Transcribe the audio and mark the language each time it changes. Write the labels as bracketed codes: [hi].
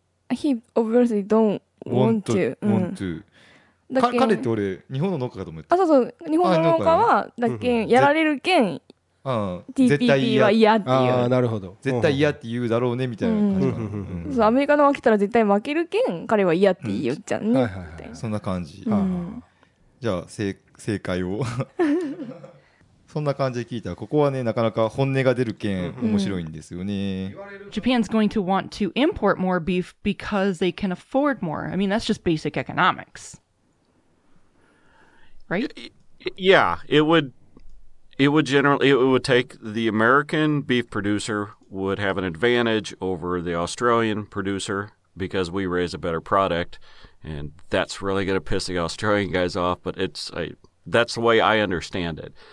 [en] He obviously don't want to want to。 [ja] だけ彼って俺日本の農家かと思って。あ、そうそう。日本の農家はだけやられるけん。 TPP は嫌っていう。ああ、なるほど。絶対嫌って言うだろうねみたいな感じ。そう、アメリカの方来たら絶対負けるけん、彼は嫌って言っちゃうね。はいはいはい。そんな感じ。じゃあ正解を。そんな感じで聞いたら、ここはね、なかなか本音が出る件、面白いんですよね。 [en] Japan's going to want to import more beef because they can afford more. I mean, that's just basic economics. Right? Yeah, it would generally, it would take the American beef producer would have an advantage over the Australian producer because we raise a better product, and that's really going to piss the Australian guys off, but that's the way I understand it.